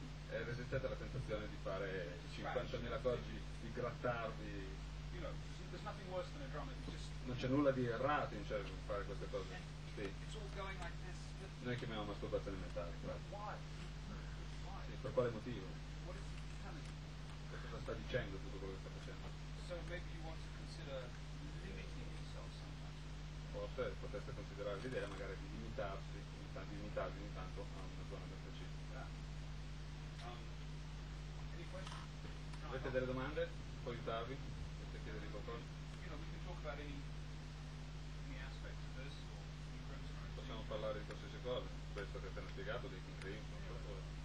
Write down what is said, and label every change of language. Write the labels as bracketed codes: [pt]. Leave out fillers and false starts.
[it] E resistete alla tentazione di fare 50.000 cose, di grattarvi. [en] You know, there's nothing worse than a drum, it's just. [it] Non c'è nulla di errato in cioè fare queste cose. Sì. [en] It's all going like this. [it] Noi chiamiamo masturbazione mentale, [en] Why? [it] Sì, per quale motivo? [en] What is [it] che cosa sta dicendo tutto quello che sta facendo? [en] So maybe you want to consider limiting yourself sometimes. [it] Forse potreste considerare l'idea magari di limitarsi, di limitarvi ogni tanto a una zona ben specifica. [en] Yeah. Any questions? [it] Avete delle domande? Può aiutarvi? Potete chiedere qualcosa? [en] You know, we can talk about any aspect of this or in terms of [it] possiamo parlare di questo. Questo che ti hanno spiegato dei King Crimson, per favore.